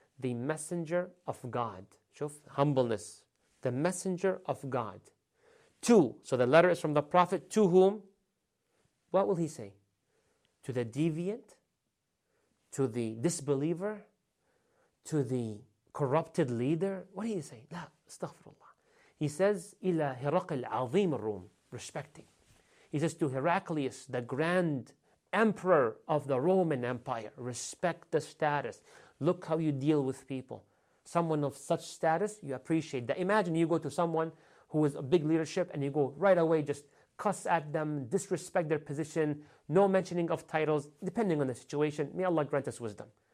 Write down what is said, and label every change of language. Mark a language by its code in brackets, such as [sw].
[en] the messenger of God. [ar] شوف, [en] humbleness. The messenger of God. To, so the letter is from the prophet, to whom? What will he say? To the deviant, to the disbeliever, to the corrupted leader. What do you say? [ar] لا, استغفرالله. He says, إلى هرقل عظيم الروم, [en] respecting. He says to Heraclius, the grand emperor of the Roman Empire, respect the status. Look how you deal with people. Someone of such status, you appreciate that. Imagine you go to someone who is a big leadership and you go right away, just cuss at them, disrespect their position, no mentioning of titles, depending on the situation. May Allah grant us wisdom.